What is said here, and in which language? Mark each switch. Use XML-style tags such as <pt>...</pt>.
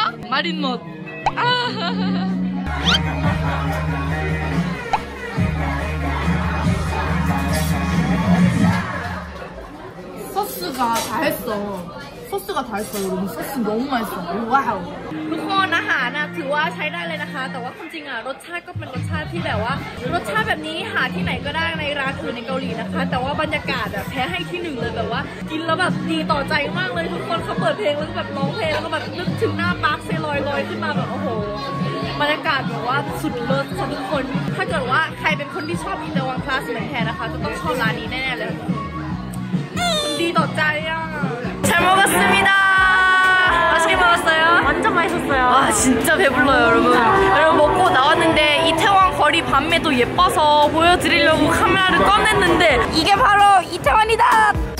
<ko>마린멋. 소스가 다 했어. 소스가 다 있어요 여러분. 소스 너무 맛있어. 와우. 그리고 나하나 드와</ko> <th>ใช้ได้เลยนะคะแต่ว่าจริงๆอ่ะรสชาติก็เป็นรสชาติที่แบบว่ารสชาติแบบนี้หาที่ไหนก็ได้ในร้านอื่นในเกาหลีนะคะแต่ว่าบรรยากาศแบบแพ้ให้ที่หนึ่งเลยแบบว่ากินแล้วแบบดีต่อใจมากเลยทุกคนเขาเปิดเพลงแล้วแบบร้องเพลงแล้วแบบนึกถึงหน้าปาร์คเซลอยลอยขึ้นมาแบบโอ้โห บรรยากาศแบบว่าสุดเลิศสุดทุกคนถ้าเกิดว่าใครเป็นคนที่ชอบอินเดอร์วังคลาสเหมือนแพรนะคะก็ต้องชอบร้านนี้แน่ๆเลยดีต่อใจอ่ะ</th> <ko>잘 먹었습니다. 맛있게 먹었어요? 완전 맛있었어요. 아 진짜 배불러요 여러분. 여러분 먹고 나왔는데 이태원 거리 밤에도 예뻐서 보여드리려고 카메라를 꺼냈는데 이게 바로 이태원이다.</ko>